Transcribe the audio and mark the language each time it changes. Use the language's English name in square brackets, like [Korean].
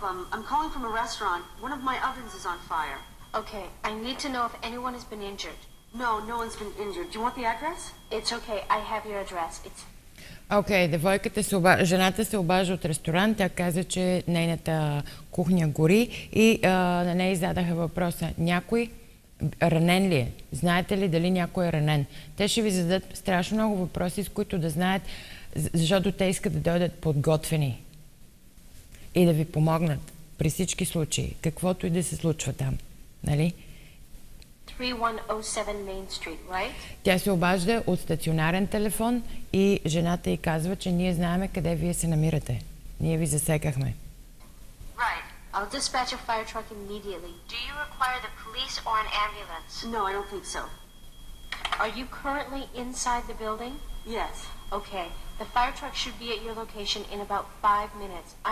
[English] I'm calling from a restaurant. One of my ovens is on fire. Okay. I need to know if anyone has been injured. No one's been injured. Do you want the address? It's okay. I have your address. It's [Bulgarian] Okay, девойката се обажда, жената се обажда от ресторант, тя каза, че нейната кухня гори и на нея зададоха въпроса: някой ранен ли е? Знаете ли дали някой е ранен? Те ще ви зададат страшно много въпроси, с които да знаят, защото те искат да дойдат подготвени и да ви помогнат при всички случаи, каквото и да се случва там, нали? [English] 3107 Main Street, right? [Bulgarian] Тя се обажда от стационарен телефон и жената й казва, че ние знаем къде вие се намирате. Ние ви засекахме. [English] Right. I'll dispatch a fire truck immediately. Do you require the police or an ambulance? No, I don't think so. Are you currently inside the building? Yes. Okay. The fire truck should be at your location in about 5 minutes.